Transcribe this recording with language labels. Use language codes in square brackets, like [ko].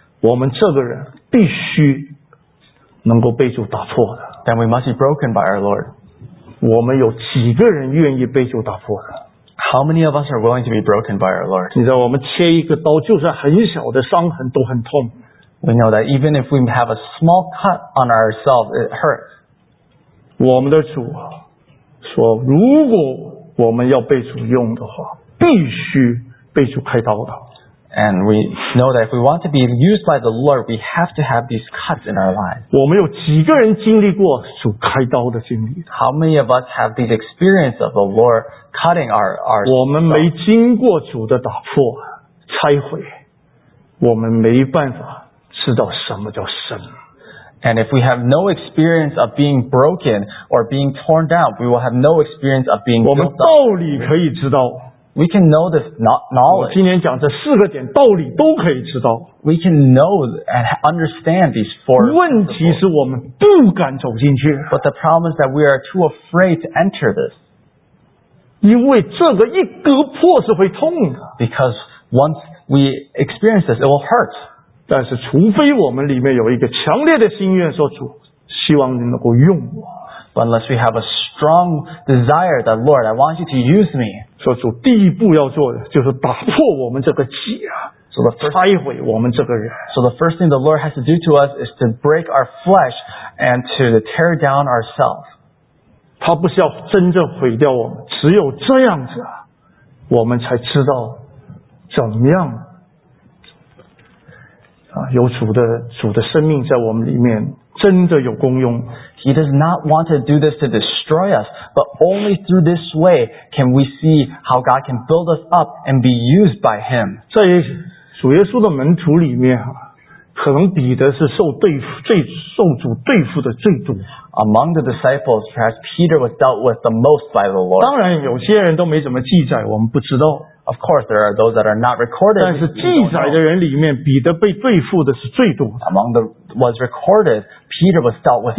[zh] 我们这个人必须能够被主打破的。 [en] Then we must be broken by our Lord. [zh] 我们有几个人愿意被主打破的？ [en] How many of us are willing to be broken by our Lord? [zh] 你知道我们切一个刀就算很小的伤痕都很痛。 [en] We know that even if we have a small cut on ourselves, it hurts. [zh] 我们的主啊，说如果我们要被主用的话，必须被主开刀的。 [en] And we know that if we want to be used by the Lord, we have to have these cuts in our lives. [zh] 我们有几个人经历过主开刀的经历？ [en] How many of us have these experience of the Lord cutting our [zh] 我们没经过主的打破、拆毁，我们没办法知道什么叫生。 [en] And if we have no experience of being broken or being torn down, we will have no experience of being built up. [zh] 我们道理可以知道。 [en] We can know this knowledge. [zh] 我今天讲这四个点，道理都可以知道。 [en] We can know and understand these four. [zh] 问题是我们不敢走进去。 [en] But the problem is that we are too afraid to enter this. [zh] 因为这个一割破是会痛的。 [en] Because once we experience this, it will hurt. [zh] 但是除非我们里面有一个强烈的心愿，说主，希望你能够用我。 [en] But unless we have a strong desire that Lord, I want you to use me. [zh] 说主第一步要做的就是打破我们这个气啊。 [en] So the first, [zh] 拆毁我们这个人。 [en] So the first thing the Lord has to do to us is to break our flesh and to tear down ourselves. [zh] 他不是要真正毁掉我们，只有这样子啊，我们才知道怎么样啊，有主的生命在我们里面。真的有功用。 [en] He does not want to do this to destroy us, but only through this way can we see how God can build us up and be used by Him. [zh] 在主耶稣的门徒里面，可能彼得是受主对付的最多。 [en] Among the disciples, perhaps Peter was dealt with the most by the Lord. [zh] 当然，有些人都没怎么记载，我们不知道。 [en] Of course, there are those that are not recorded. [zh] 但是记载的人里面，彼得被对付的是最多的。 [en] Among the was recorded, Peter was dealt with.